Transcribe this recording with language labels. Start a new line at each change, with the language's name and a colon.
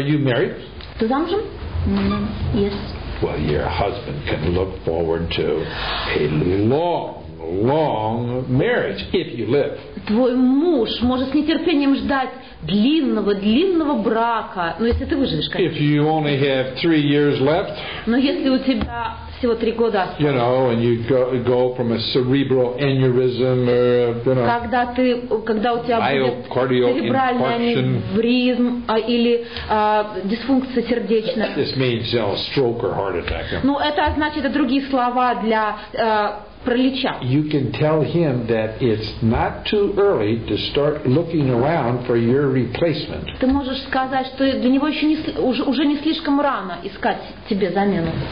English: Are you married?
Russian: Ты замужем?
English: Mm-hmm. Yes. Well, your husband can look forward to a long marriage if you live.
Russian: Твой муж может с нетерпением ждать длинного брака, ну, если ты выживешь, конечно.
English: If you only have 3 years left.
Russian: Но если у тебя всего 3 года осталось.
English: You know, and you go from a cerebral aneurysm or
Russian: когда у тебя будет церебральный аневризм или дисфункция сердечная.
English: This means stroke or heart attack.
Russian: Ну, это значит, это другие слова для пролеча.
English: You can tell him that it's not too early to start looking around for your replacement.
Russian: Ты можешь сказать, что для него еще уже не слишком рано искать тебе замену.